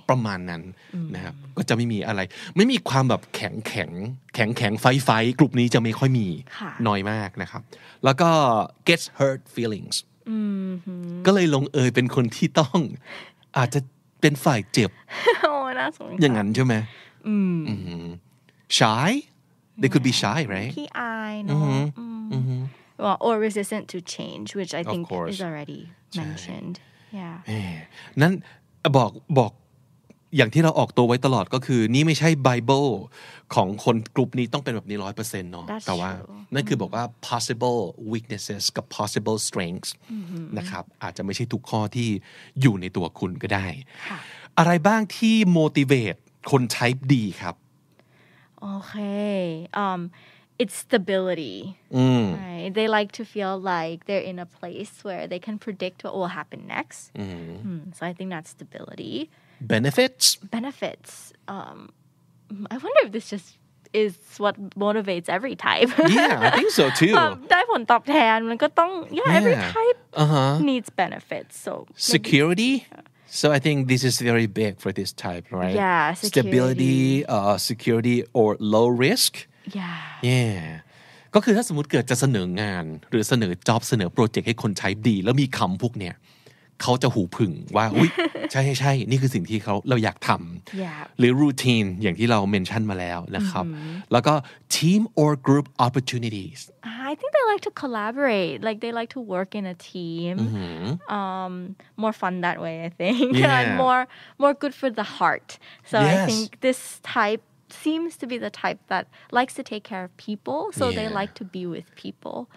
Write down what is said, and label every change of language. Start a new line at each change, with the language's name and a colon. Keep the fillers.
Thai: ประมาณนั้นนะครับก็จะไม่มีอะไร ไม่มีความแบบแข็งแข็งแข็งแข็งไฟไฟกลุ่มนี้จะไม่ค่อยมีน้อยมากนะครับ แล้วก็ get hurt feelings ก็เลยลงเอยเป็นคนที่ต้องอาจจะเป็นฝ่ายเจ็บอย่างนั้นใช่ไหม
English: shy they could be shy right
Thai: ขี้ อายนะ
English: well or resistant to change which I think is already mentioned yeah
Thai: นั้นบอกบอกอย่างที่เราออกตัวไว้ตลอดก็คือ นี่ไม่ใช่ไบเบิลของคนกลุ่มนี้ต้องเป็นแบบนี้ร้อยเปอร์เซ็นต์เนาะแต่ว่า
English: true.
Thai: นั่นคือบอกว่า possible weaknesses กับ possible strengths mm-hmm. นะครับ อาจจะไม่ใช่ทุกข้อที่อยู่ในตัวคุณก็ได้อะไรบ้างที่ motivate คน type D ครับ โอเคอืม
English: it's stability. Mm. Right? They like to feel like they're in a place where they can predict what will happen next. Mm. Mm. So I think that's stability. Benefits? Benefits. Um, I wonder if this just is what motivates every type. yeah, I think so too. Um, yeah, every type uh-huh. needs benefits. So maybe, Security? Yeah. So I think this is very big for this type, right? Yeah, security. Stability, uh, security, or low risk. Yeah. yeah.
Thai: ก็คือถ้าสมมติเกิดจะเสนองานหรือเสนอจ็อบเสนอโปรเจกต์ให้คนใช้ดีแล้วมีคำพวกเนี้ยเขาจะหูพึ่งว่าอุ้ยใช่ใช่ใช่นี่คือสิ่งที่เขาเราอยากทำ yeah. หรือรูทีนอย่างที่เราเมนชั่นมาแล้วนะครับ mm-hmm. แล้วก็ทีม or group opportunities
English: I think they like to collaborate like they like to work in a team mm-hmm. um, more fun that way I think yeah. and more more good for the heart so yes. I think this type seems to be the type that likes to take care of people, so yeah. they like to be with people.